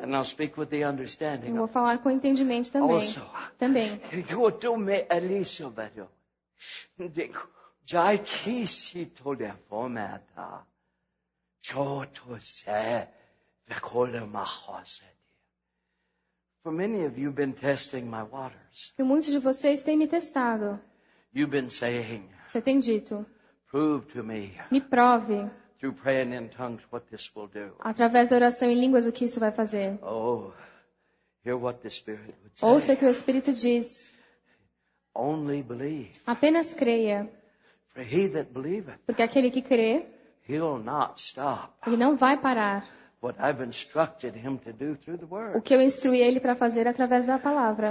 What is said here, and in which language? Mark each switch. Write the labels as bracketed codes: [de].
[en] And I'll speak with the understanding. [pt] Eu vou falar com o entendimento também. [en] Also. [pt] Também. Eu tô me aliso, velho. Digo, já que se tolhe a fome a ta, já tô se recolhe uma rosa. [en] For many of you, been testing my waters. [pt] E muitos de vocês têm me testado. [en] You've been saying. [pt] Você tem dito. [en] Prove to me. [pt] Me prove. [en] Through praying in tongues, what this will do. [pt] Através da oração em línguas, o que isso vai fazer? [en] Oh, hear what the Spirit would say. [pt] Ouça o que o Espírito diz. [en] Only believe. [pt] Apenas creia. [en] For he that believeth. [pt] Porque aquele que crê. [en] He'll not stop. [pt] Ele não vai parar. [en] What I've instructed him to do through the word. [pt] O que eu instruí ele para fazer através da palavra.